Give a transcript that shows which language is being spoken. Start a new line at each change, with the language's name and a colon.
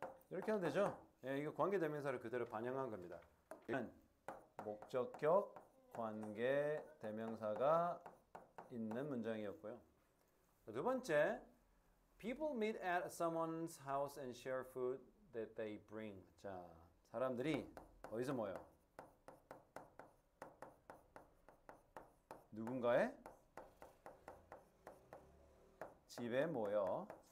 Korean: 이렇게 하면 되죠. 예, 이거 관계 대명사를 그대로 반영한 겁니다. 목적격 관계 대명사가 있는 문장이었고요. 두 번째,
English: people meet at someone's house and share food that they bring.
Korean: 자, 사람들이 어디서 모여? 누군가의 집에 모여.